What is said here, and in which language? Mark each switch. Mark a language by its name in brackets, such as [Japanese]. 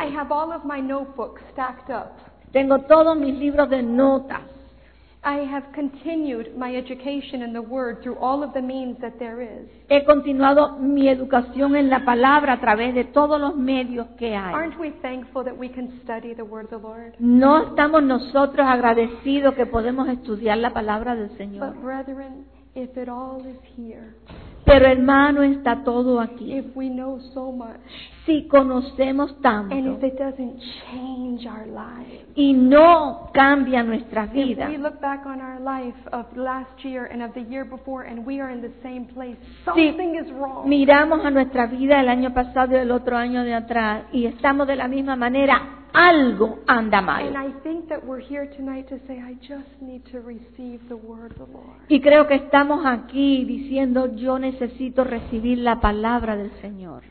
[English] I have all of my notebooks stacked up. [Spanish] Tengo todos mis libros de notas. [English] I have continued my education in the Word through all of the means that there is. [Spanish] He continuado mi educación en la palabra a través de todos los medios que hay. [English] Aren't we thankful that we can study the Word of the Lord? [Spanish] ¿No estamos nosotros agradecidos que podemos estudiar la palabra del Señor? [English] But brethren, if it all is here. [Spanish] Pero hermano, está todo aquí. [English] If we know so much, [Spanish] si conocemos tanto, [English] and if it doesn't change our lives, [Spanish] y no cambia nuestra vida, [English] if we look back on our life of last year and of the year before and we are in the same place, [Spanish] si [English] something is wrong. [Spanish] Miramos a nuestra vida el año pasado y el otro año de atrás y estamos de la misma manera, algo anda mal. [English] And I think that we're here tonight to say, I just need to receive the word of the Lord. [Spanish] Y creo que estamos aquí diciendo, yo necesito recibir la palabra del Señor.